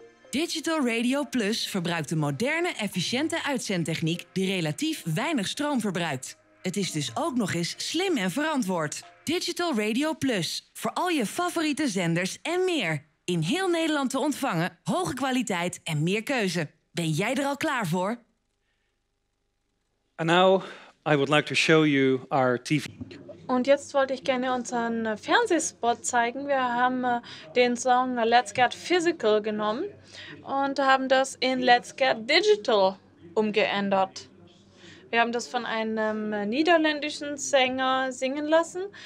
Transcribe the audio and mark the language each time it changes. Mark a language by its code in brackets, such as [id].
[nl] Digital Radio Plus verbruikt de moderne, efficiënte uitzendtechniek die relatief weinig stroom verbruikt. Het is dus ook nog eens slim en verantwoord. Digital Radio Plus, voor al je favoriete zenders en meer. In heel Nederland te ontvangen, hoge kwaliteit en meer keuze. Ben jij er al klaar voor? [en] And now I would like to show you our TV. [de] Und jetzt wollte ich gerne unseren Fernsehspot zeigen. Wir haben den Song Let's Get Physical genommen und haben das in Let's Get Digital umgeändert. Wir haben das von einem niederländischen Sänger singen lassen.